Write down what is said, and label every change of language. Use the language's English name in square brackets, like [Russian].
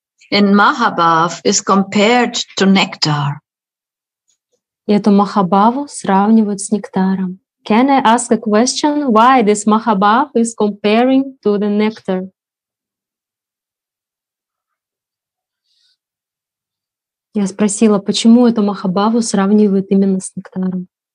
[English] And Mahabhav is compared to nectar. [Russian] И эту Махабаву сравнивают с нектаром. [English] Can I ask a question? Why this Mahabhav is comparing to the nectar? [Russian] Я спросила, почему эту Махабаву сравнивают именно с нектаром?